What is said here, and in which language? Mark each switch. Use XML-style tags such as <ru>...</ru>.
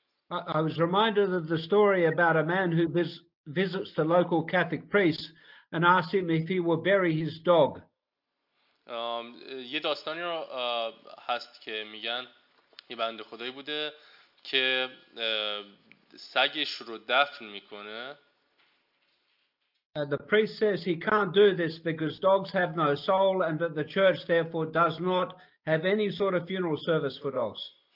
<en>I was reminded of the story about a man who visits the local Catholic priest and asks him if he will bury his dog.</en> <fa>یه داستانی رو هست که میگن یه بنده خدایی بوده که سگش رو دفن میکنه.</fa> <en>The priest says he can't do this because dogs have no soul and that the church therefore does not have any sort of funeral service for dogs.</en>